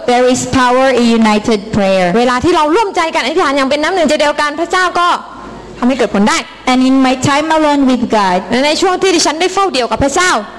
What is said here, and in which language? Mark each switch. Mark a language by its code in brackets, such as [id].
[en] there is power in united prayer. [th] เวลาที่เราร่วมใจกันอธิษฐานอย่างเป็นน้ำหนึ่งใจเดียวกันพระเจ้าก็ทำให้เกิดผลได้ [en] And in my time alone with God, [th] ในช่วงที่ดิฉันได้เฝ้าเดียวกับพระเจ้า